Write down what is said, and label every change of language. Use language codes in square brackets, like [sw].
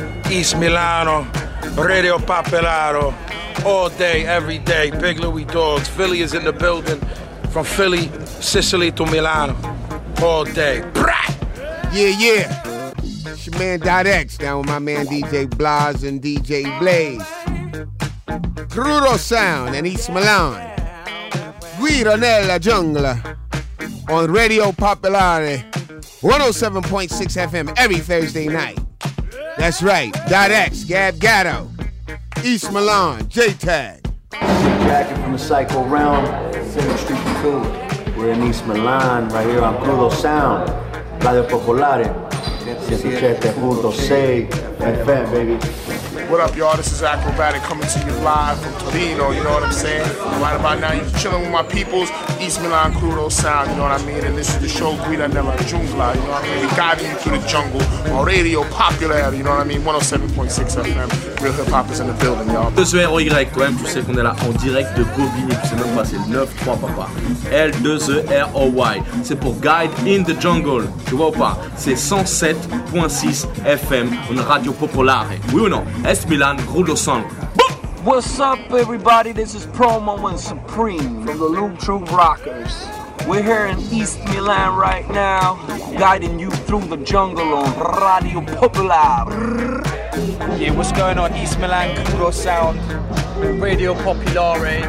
[en] East Milano, Radio Popolare. All day, every day, Big Louie Dogs. Philly is in the building. From Philly, Sicily to Milano. All day. Brat! Yeah, yeah. It's your man Dot X, down with my man DJ Blaz and DJ Blaze. Crudo Sound and East Milan. Guido nella jungla. On Radio Popolare. 107.6 FM every Thursday night. That's right. Dot X, Gab Gatto. East Milan, J-Tag. Jacket from the Psycho Realm, Center Street and Cool. We're in East Milan, right here on Crudo Sound. Radio Popolare, 107.6 FM, baby. What up, y'all? This is Acrobatic coming to you live from Torino, you know what I'm saying? Right about now, you're chilling with my peoples, East Milan Crudo Sound, you know what I mean? And this is the show, Guida Nella Jungla, you know what I mean? Guiding you through the jungle, on Radio Popular, you know what I mean? 107.6 FM, real hip-hop is in the building, y'all. [fr] L2EY, quand même, tu sais qu'on est là en direct de Bobigny, tu sais même pas, c'est 9-3, papa. L2EY, c'est pour Guide in the Jungle, tu vois ou pas? C'est 107.6 FM, une radio populaire, oui ou non? [en] East Milan, Crudo Sound. What's up, everybody? This is Promo and Supreme from the Loom True Rockers. We're here in East Milan right now, guiding you through the jungle on Radio Popolare. Yeah, what's going on, East Milan, Crudo Sound, Radio Popolare,